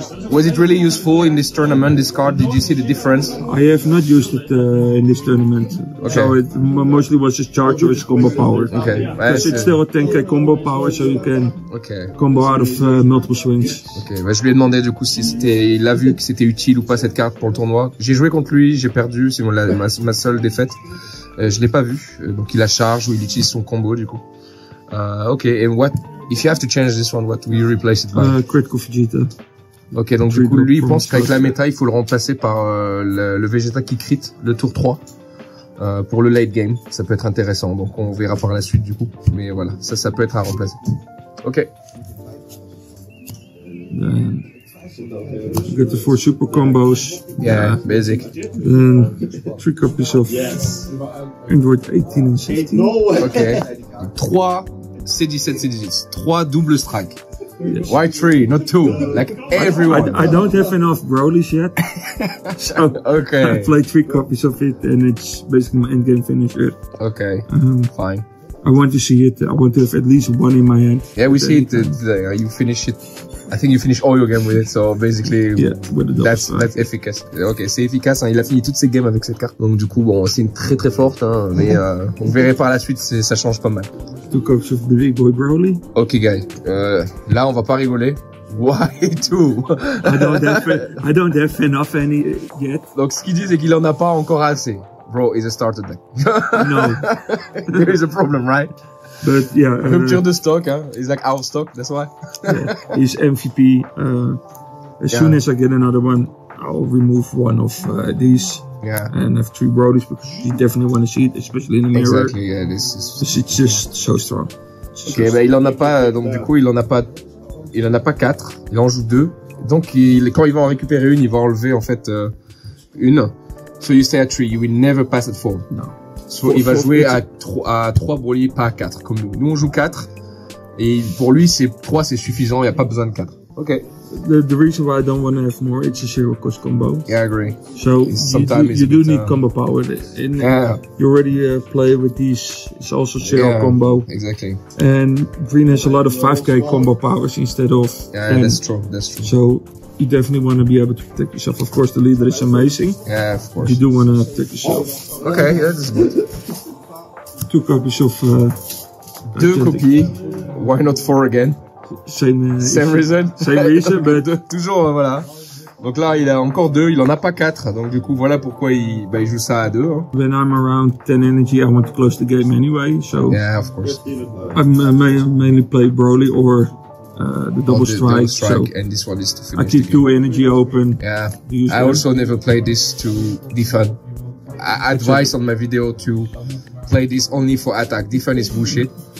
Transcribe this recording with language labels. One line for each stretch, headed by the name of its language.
English: Was it really useful in this tournament, this card? Did you see the difference? I have not used it in this tournament. Okay. So it mostly was his charge or his combo power. Okay. Because it's still a 10k combo power, so you can combo out of multiple swings. Okay.
French: Bah, je lui ai demandé du coup si c'était, il a vu que c'était utile ou pas cette carte pour le tournoi. J'ai joué contre lui, j'ai perdu, c'est ma seule défaite. Je l'ai pas vu, donc il a charge ou il utilise son combo du coup.
English: Okay, and what if you have to change this one? What will you replace it by? Critical Vegeta.
French: Okay, donc du coup, lui il pense qu'avec la méta il faut le remplacer par le Vegeta qui crit le tour 3 pour le late game. Ça peut être intéressant, donc on verra par la suite du coup. Mais voilà, ça peut être à remplacer. Okay.
English: Get the four super combos. Yeah, basic. Three copies of Android 18 and 16. No way. Okay. 3 C17 C18. 3 double strike. Yes. Why 3? Not 2. Like everyone. I don't have enough Broly's yet. So okay. I played 3 copies of it and it's basically my endgame finisher. Okay. Fine. I want to see it. I want to have at least one in my hand. Yeah, we see it today. You finish it. I think you finish all your games with it, so basically that's efficace.
French: Ok, c'est efficace, hein. Il a fini toutes ses games avec cette carte. Donc du coup, bon, c'est une très très forte, hein, mais on verra par la suite, ça change pas mal.
English: Two cups of the big boy Broly. Ok guys,
French: là on va pas rigoler.
English: Why two? I don't have enough any yet.
French: Donc ce qu'il dit, c'est qu'il en a pas encore assez.
English: Bro, is a starter deck. No. There is a problem, right? But yeah,
French: rupture de stock,
English: huh? He's like out of stock, that's why. Yeah, he's MVP. Soon as I get another one, I'll remove one of these. Yeah. And have three Brodies because you definitely want to see it, especially in the mirror. Exactly, yeah, this is. It's just so strong. Okay, but
French: il en a pas, donc du coup, il en a pas quatre, il en joue deux. Donc, quand il va en récupérer une, il va enlever en fait une.
English: So you stay at three, you will never pass at four. No.
French: So, il va jouer à 3 Broly, pas à 4, comme nous. Nous, on joue 4. Et pour lui, c'est 3, c'est suffisant, il n'y a pas besoin de 4. Ok.
English: The reason why I don't want to have more, it's a zero cost combo. Yeah, I agree. So, you do need combo power. You already play with these, it's also zero combo. Exactly. And green has a lot of 5k combo powers instead of. Yeah, and that's true. So, you definitely want to be able to protect yourself. Of course, the leader is amazing. Yeah, of course. You do want to protect yourself. Okay, that is good. Two copies of... Two copies. Why not four again? Same reason, but...
French: Toujours, voilà. Donc là, il a encore deux, il en a pas quatre. Donc du coup, voilà pourquoi il joue ça à deux. Hein.
English: When I'm around 10 energy, I want to close the game anyway, so... Yeah, of course. I mainly play Broly or... The double strike, and this one is to finish. I keep two energy open. Yeah, I also never played this to defend. I advise on my video to play this only for attack. Defend is bullshit.